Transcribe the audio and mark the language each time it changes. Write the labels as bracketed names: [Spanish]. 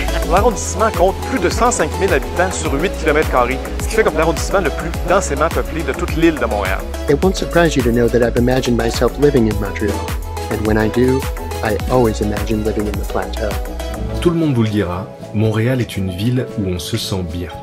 [French] L'arrondissement compte plus de 105 000 habitants sur 8 km², ce qui fait comme l'arrondissement le plus densément peuplé de toute l'île de Montréal. [English] It won't surprise you to know that I've imagined myself living in Montreal. And when I do, I always imagine living in the Plateau. [French] Tout le monde vous le dira, Montréal est une ville où on se sent bien.